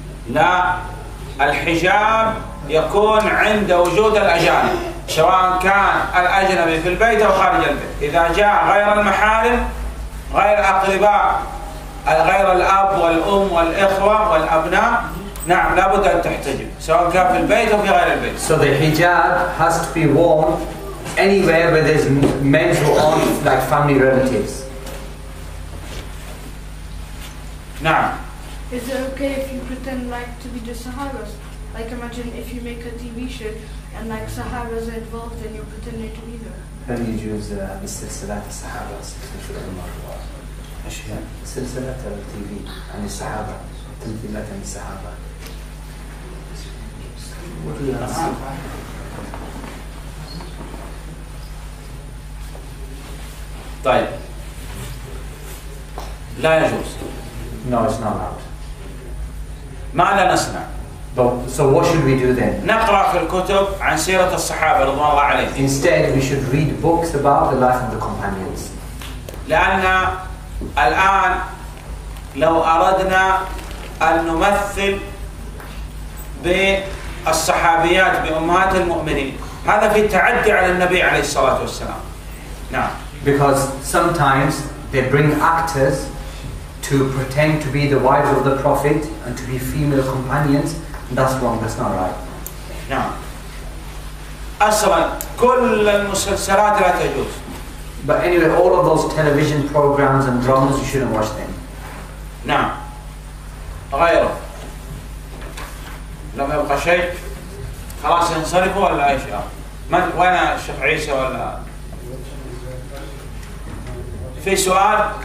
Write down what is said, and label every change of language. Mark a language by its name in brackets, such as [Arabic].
[Arabic] لا الحجاب يكون عند وجود الأجانب سواء كان الأجنبي في البيت أو خارج البيت إذا جاء غير المحارم غير أقرباء غير الأب والأم والإخوة والأبناء نعم لابد أن تحتجب سواء كان في البيت أو في غير البيت. [English] So the hijab has to be worn anywhere where there's men who aren't like family relatives. [Arabic] نعم. [English] Is it okay if you pretend like to be the Sahabas? Like imagine if you make a TV show and like Sahabas are involved and you're pretending to be there. [Arabic] هل يجوز بالسلسلة السحابس مثل عمر وأشياء سلسلة TV عن السحابة تمثيلة عن السحابة. طيب لا يجوز. [English] No, it's not allowed. [Arabic] ماذا نصنع؟ [English] So what should we do then? [Arabic] نقرأ في الكتب عن سيرة الصحابة رضوان الله عليهم. [English] Instead, we should read books about the life of the companions. [Arabic] لأن الآن لو أردنا أن نمثل ب الصحابيات بأمهات المؤمنين هذا في تعدي على النبي عليه الصلاة والسلام نعم [English] because sometimes they bring actors to pretend to be the wives of the prophet and to be female companions and that's wrong that's not right [Arabic] نعم أصلاً كل المسلسلات لا تجوز [English] but anyway all of those television programs and dramas you shouldn't watch them [Arabic] نعم غيره لم يبقى شيء خلاص ينصرفوا ولا ايش من وين الشيخ عيسى ولا في سؤال